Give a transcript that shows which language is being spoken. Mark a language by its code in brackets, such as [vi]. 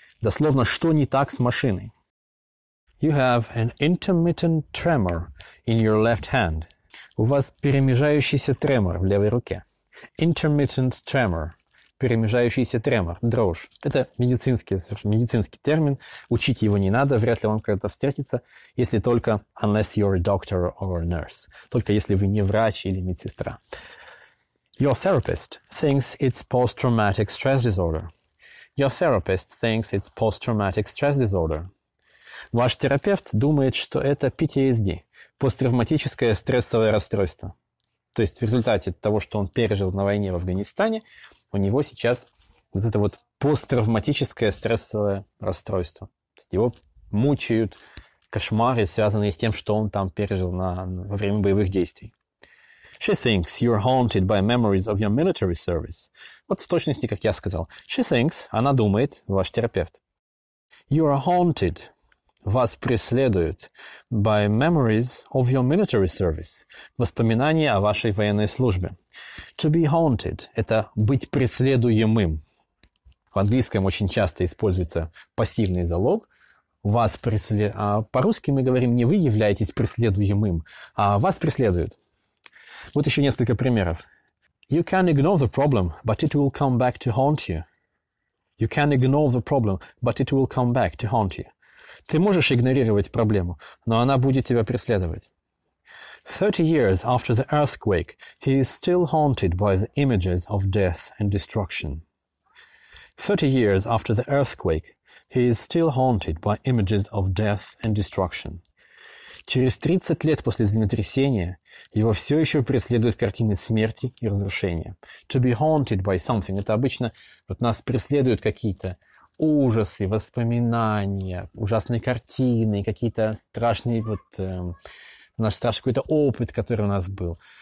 [ru] Дословно, что не так с машиной? [en] You have an intermittent tremor in your left hand. [ru] У вас перемежающийся тремор в левой руке. [en] Intermittent tremor. [ru] Перемежающийся тремор, дрожь. Это медицинский термин. Учить его не надо, вряд ли он когда-то встретится, если только [en] unless you're a doctor or a nurse. [ru] Только если вы не врач или медсестра. [en] Your therapist thinks it's post-traumatic stress disorder. Your therapist thinks it's post-traumatic stress disorder. [ru] Ваш терапевт думает, что это PTSD, посттравматическое стрессовое расстройство. То есть в результате того, что он пережил на войне в Афганистане, у него сейчас вот это вот посттравматическое стрессовое расстройство. То есть его мучают кошмары, связанные с тем, что он там пережил во время боевых действий. [en] She thinks you're haunted by memories of your military service. [ru] Вот в точности, как я сказал. [en] She thinks, [ru] она думает, ваш терапевт. [en] You are haunted. [ru] Вас преследуют [en] by memories of your military service. [ru] Воспоминания о вашей военной службе. [en] To be haunted [ru] – это быть преследуемым. В английском очень часто используется пассивный залог. Вас преследуют. А по-русски мы говорим, не вы являетесь преследуемым, а вас преследуют. Вот еще несколько примеров. [en] You can ignore the problem, but it will come back to haunt you. You can ignore the problem, but it will come back to haunt you. [ru] Ты можешь игнорировать проблему, но она будет тебя преследовать. [en] 30 years after the earthquake, he is still haunted by the images of death and destruction. 30 years after the earthquake, he is still haunted by images of death and destruction. [ru] Через 30 лет после землетрясения его все еще преследуют картины смерти и разрушения. [en] To be haunted by something. [ru] Это обычно вот нас преследуют какие-то ужасы, воспоминания, ужасные картины, какие-то страшные, вот наш страшный какой-то опыт, который у нас был.